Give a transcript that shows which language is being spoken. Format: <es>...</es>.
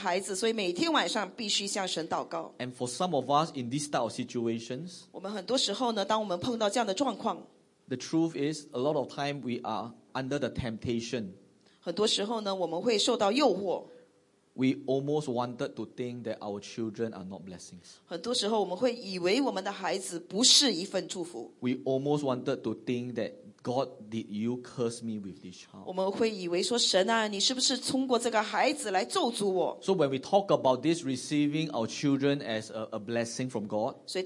<zh>很多时候呢,我们因为我们的孩子,所以每天晚上必须向神祷告。</zh> <en>And for some of us in these type of situations,</en> <zh>我们很多时候呢,当我们碰到这样的状况,</zh> <en>the truth is, a lot of time we are under the temptation.</en> <zh>很多时候呢,我们会受到诱惑。</zh> <en>We almost wanted to think that our children are not blessings.</en> <zh>很多时候我们会以为我们的孩子不是一份祝福。</zh> <en>We almost wanted to think that God, did you curse me with this child?</en> <zh>我们会以为说神啊,你是不是通过这个孩子来咒诅我?</zh> <en>So when we talk about this receiving our children as a blessing from God,</en>